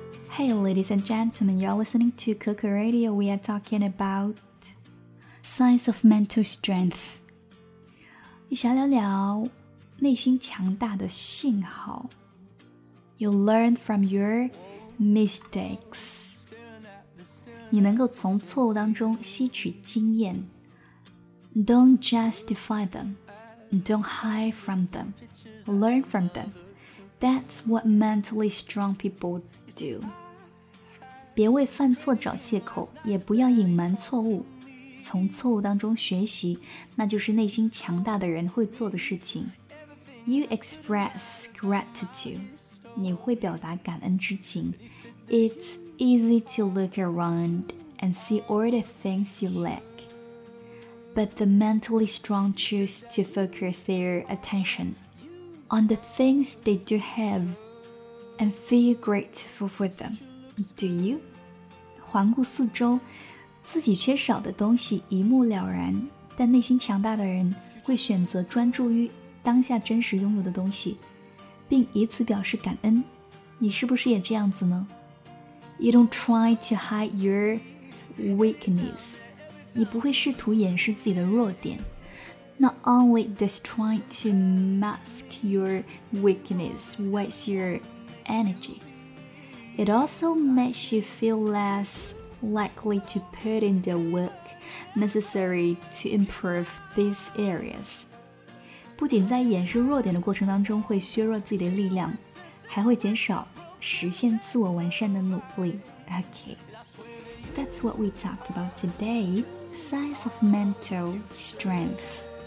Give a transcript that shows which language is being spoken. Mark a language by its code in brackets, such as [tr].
[en] Hey, ladies and gentlemen, you're listening to Coco Radio. We are talking about signs of mental strength. [zh] 想聊聊内心强大的信号。 [en] You learn from your mistakes. [zh] 你能够从错误当中吸取经验。 [en] Don't justify them. Don't hide from them. Learn from them. That's what mentally strong people do. [zh] 别为犯错找借口，也不要隐瞒错误，从错误当中学习，那就是内心强大的人会做的事情。 [en] You express gratitude, [zh] 你会表达感恩之情。 [en] It's easy to look around and see all the things you lack, but the mentally strong choose to focus their attention on the things they do have and feel grateful for them. Do you? [zh] 环顾四周，自己缺少的东西一目了然，但内心强大的人会选择专注于当下真实拥有的东西，并以此表示感恩。你是不是也这样子呢？ [en] You don't try to hide your weakness. [zh] 你不会试图掩饰自己的弱点。 [en] Not only does trying to mask your weakness waste your energy,It also makes you feel less likely to put in the work necessary to improve these areas. [zh] 不仅在掩饰弱点的过程当中会削弱自己的力量，还会减少实现自我完善的努力。 [en] Okay, that's what we talk about today. Signs of mental strength.